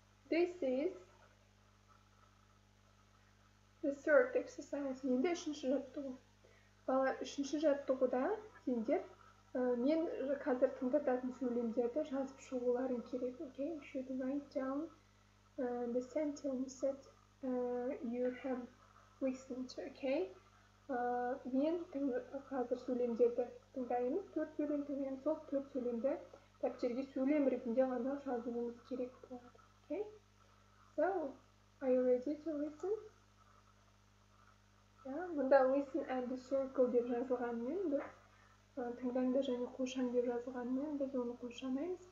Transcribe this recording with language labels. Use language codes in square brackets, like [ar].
[en] This is the third exercise. [kk] Енді үшінші жаттығу. Бала, үшінші жаттығуда сендер мен қазір тыңдататын сөйлемдерді жазып шығуларың керек. [en] Okay, you should write down the sentences that you have listened to. [kk] Okay, мен қазір сөйлемдерді тыңдаймын. Төрт сөйлем тыңдаймын. Сол төрт сөйлемді дәптерге сөйлем ретінде ғана жазуыңыз керек болады. [en] Okay. So, are you ready to listen? [kk] Yeah, bunda [en] listen and the circle [kk] деп жазылғанмен, біз тыңдаңда және қошан деп жазылғанмен, біз оны қошамаймыз.